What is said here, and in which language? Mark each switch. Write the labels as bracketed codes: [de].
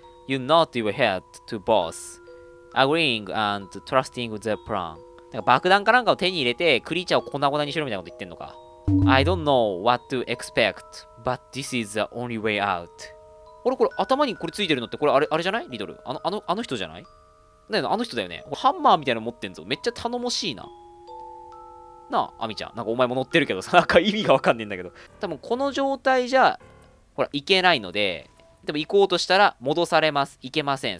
[en] You nod your head to boss, agreeing and trusting the plan. [ja] なんか爆弾かなんかを手に入れて、クリーチャーを粉々にしろみたいなこと言ってんのか。 [en] I don't know what to expect, but this is the only way out. [ja] あれ、これ頭にこれついてるのって、これあれじゃない？リドル。あの人じゃない？ねえ、あの人だよね。ハンマーみたいなの持ってんぞ。めっちゃ頼もしいな。なあ、アミちゃん。なんかお前も乗ってるけどさ、なんか意味がわかんねえんだけど。多分この状態じゃ、ほら、行けないので、でも行こうとしたら戻されます。行けません。